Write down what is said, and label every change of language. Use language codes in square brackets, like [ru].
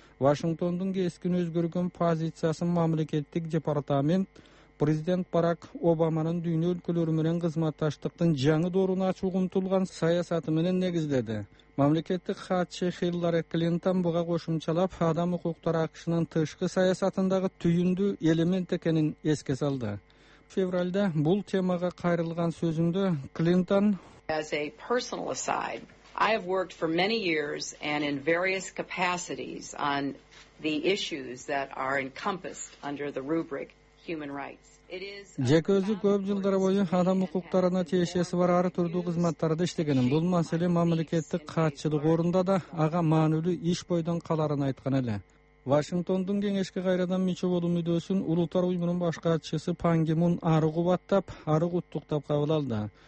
[ky] Вашингтондун кескин өзгөргөн позициясын мамлекеттик департамент президент Барак Обаманын дүйнө өлкөлөрү менен кызматташтыктын жаңы доорун ачууга умтулган саясаты менен негиздеди. Мамлекеттик хатчы Хиллари Клинтон буга кошумчалап, адам укуктары АКШнын тышкы саясатындагы түйүндүү элемент экенин эске салды. Февральда бул темага кайрылган сөзүндө Клинтон [en] As a personal aside, I have worked for many years and in various capacities on the issues that are encompassed under the rubric human rights. [ky] Жеке өзү көп жылдар бою адам укуктарына тиешеси бар ар түрдүү кызматтарда иштегенин, бул маселе мамлекеттик катчылык орунда да ага маанилүү иш бойдон каларын айткан эле. Вашингтондун кеңешке кайрадан мүчө болуу мүдөөсүн улуттар уюмунун баш катчысы Пан Ги Мун ары кубаттап, ары куттуктап кабыл алды.